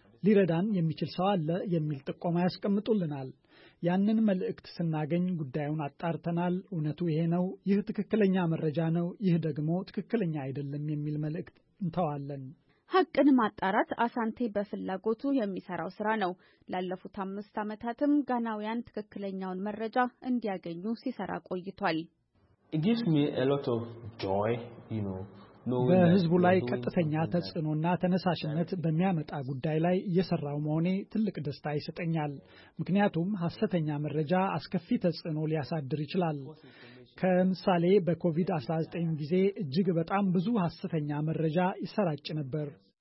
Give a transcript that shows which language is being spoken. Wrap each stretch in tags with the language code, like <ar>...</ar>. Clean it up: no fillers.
<am>ሊረዳን የሚችል ሰው አለ? የሚል ጥቆማ ያስቀምጡልናል። ያንን መልእክት ስናገኝ ጉዳዩን አጣርተናል። እውነቱ ይሄ ነው፣ ይህ ትክክለኛ መረጃ ነው፣ ይህ ደግሞ ትክክለኛ አይደለም የሚል መልእክት እንተዋለን። ሐቅን ማጣራት አሳንቴ በፍላጎቱ የሚሰራው ስራ ነው። ላለፉት 5 ዓመታትም ጋናውያን ትክክለኛውን መረጃ እንዲያገኙ ሲሰራ ቆይቷል።</am> <en>It gives me a lot of joy, you know.</en> <am>በህዝቡ ላይ ቀጥተኛ ተጽዕኖና ተነሳሽነት በሚያመጣ ጉዳይ ላይ እየሰራው መሆኔ ትልቅ ደስታ ይሰጠኛል። ምክንያቱም ሐሰተኛ መረጃ አስከፊ ተጽዕኖ ሊያሳድር ይችላል። ከምሳሌ በኮቪድ-19 ጊዜ እጅግ በጣም ብዙ ሐሰተኛ መረጃ ይሰራጭ ነበር።</am>